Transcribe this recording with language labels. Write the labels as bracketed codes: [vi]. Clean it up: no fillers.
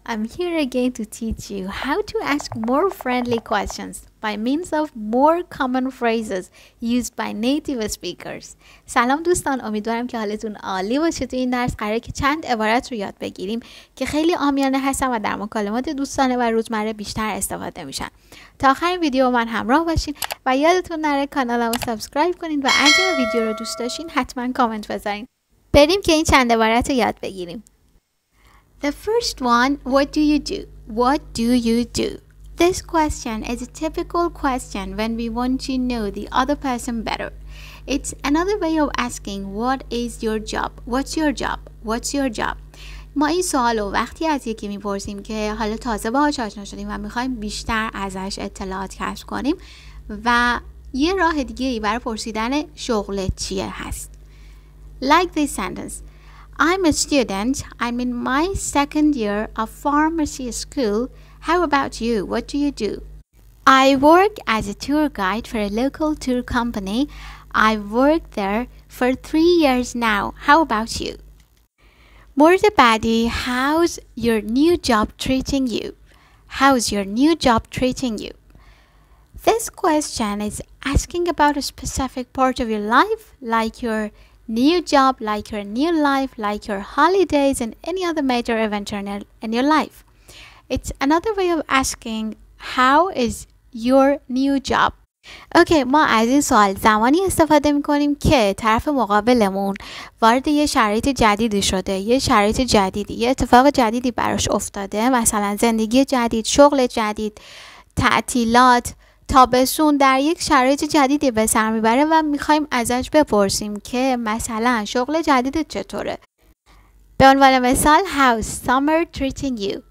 [en] I'm here again to teach you how to ask more friendly questions by means of more common phrases used by native speakers. [fa] سلام دوستان، امیدوارم که حالتون عالی باشه. تو این درس قراره که چند عبارت رو یاد بگیریم که خیلی عامیانه هستن و در مکالمات دوستانه و روزمره بیشتر استفاده میشن. تا آخر ویدیو من همراه باشین و یادتون نره کانالمو سابسکرایب کنین و اگر ویدیو رو دوست داشتین حتما کامنت بذارین. بریم که این چند عبارت رو یاد بگیریم. [en] The first one, what do you do? What do you do? This question is a typical question when we want to know the other person better. It's another way of asking, what is your job? What's your job? What's your job? [fa] ما این سوال رو وقتی از یکی میپرسیم که حالا تازه باهاش آشنا شدیم و میخواییم بیشتر ازش اطلاعات کسب کنیم و یه راه دیگه ای برای پرسیدن شغل چیه هست. [en] Like this sentence, I'm a student, I'm in my second year of pharmacy school, how about you, what do you do? I work as a tour guide for a local tour company, I've worked there for 3 years now, how about you? [fa] مورد بعدی, [en] how's your new job treating you? How's your new job treating you? This question is asking about a specific part of your life, like your new job, like your new life, like your holidays and any other major event in your life. It's another way of asking, how is your new job? [fa] Okay, ما از این سوال زمانی استفاده میکنیم که طرف مقابلمون وارد یه شرایط جدیدی شده، یه شرایط جدیدی، یه اتفاق جدیدی براش افتاده، مثلا زندگی جدید، شغل جدید، تعطیلات، تابسون، در یک شرایط جدیدی به سر میبره و میخواییم ازش بپرسیم که مثلا شغل جدیدت چطوره؟ به عنوان مثال [en] How's summer treating you?